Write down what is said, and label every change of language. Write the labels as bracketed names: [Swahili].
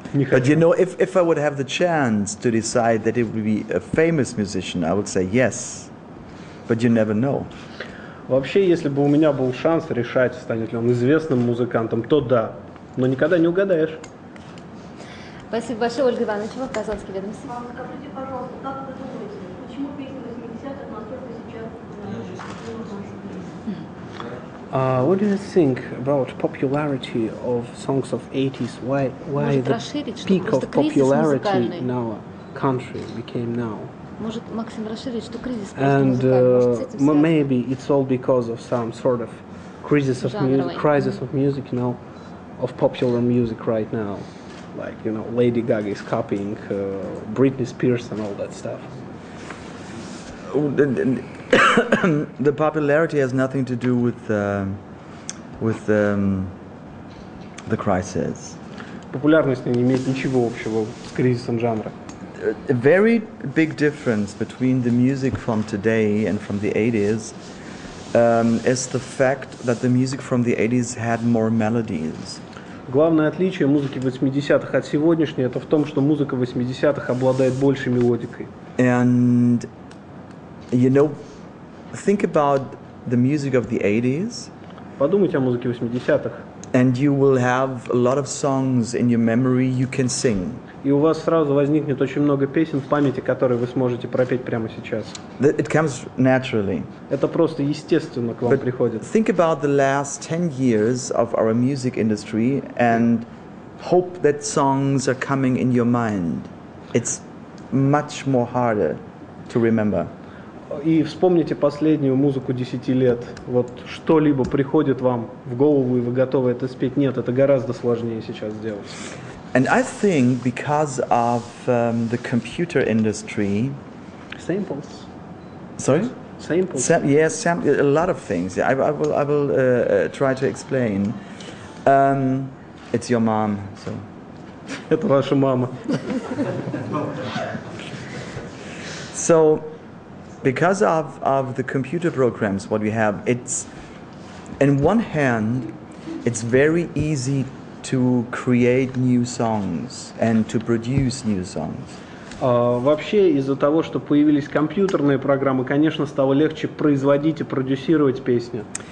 [English] But you know, if I would have the chance to decide that it would be a famous musician, I would say yes, but you never know. [Russian] Вообще, если бы у меня был шанс решать, станет ли он известным музыкантом, то да, но никогда не угадаешь. Спасибо большое, Ольга Ивановича, Казанские ведомости. Вам скажите, пожалуйста, как вы думаете, почему песни 80-х настолько сейчас? [English] What do you think about popularity of songs of 80s? Why [Russian] может, [English] the peak of popularity in our country became now? [Russian] Может, Максим расширить, что кризис? [English] And maybe it's all because of some sort of crisis of music, you know, of popular music right now. Like, you know, Lady Gaga is copying Britney Spears and all that stuff. The popularity has nothing to do with the crisis. [Russian] Популярность не имеет ничего общего с кризисом жанра. [English] A very big difference between the music from today and from the 80s is the fact that the music from the 80s had more melodies. [Russian] Главное отличие музыки 80-х от сегодняшней это в том, что музыка 80-х обладает большей мелодикой. [English] And you know, think about the music of the 80s. [Russian] Подумайте о музыке 80-х. [English] And you will have a lot of songs in your memory you can sing. [Russian] И у вас сразу возникнет очень много песен в памяти, которые вы сможете пропеть прямо сейчас. [English] It comes naturally. [Russian] Это просто естественно к вам [English] But [Russian] приходит. [English] Think about the last 10 years of our music industry and hope that songs are coming in your mind. It's much more harder to remember. [Russian] И вспомните последнюю музыку 10 лет. Вот что-либо приходит вам в голову, и вы готовы это спеть. Нет, это гораздо сложнее сейчас сделать. [English] And I think because of the computer industry, samples. Sorry. Samples. A lot of things. Yeah, I will try to explain. It's your mom, so. [Russian] Это ваша мама. [English] So, because of the computer programs, what we have, it's, in one hand, it's very easy to create new songs and to produce new songs. [Russian] Вообще из-за того, что появились компьютерные программы, конечно, стало легче производить и продюсировать песни.